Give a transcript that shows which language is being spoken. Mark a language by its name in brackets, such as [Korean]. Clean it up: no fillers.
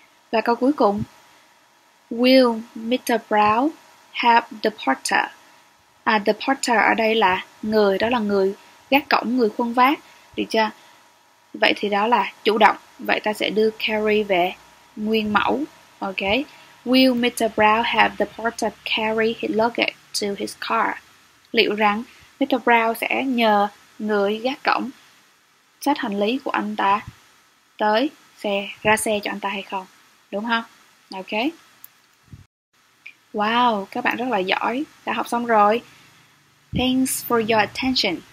[Vietnamese] Và câu cuối cùng: [English] Will Mr. Brown have the porter? [Vietnamese] The porter ở đây là người, đó là người gác cổng, người khuân vác. Được chưa? Vậy thì đó là chủ động. Vậy ta sẽ đưa carry về nguyên mẫu. [English] Ok. Will Mr. Brown have the porter carry his luggage to his car? [Vietnamese] Liệu rằng Mr. Brown sẽ nhờ người gác cổng xách hành lý của anh ta tới xe, ra xe cho anh ta hay không? Đúng không? Ok. Wow, các bạn rất là giỏi. Đã học xong rồi. [English] Thanks for your attention.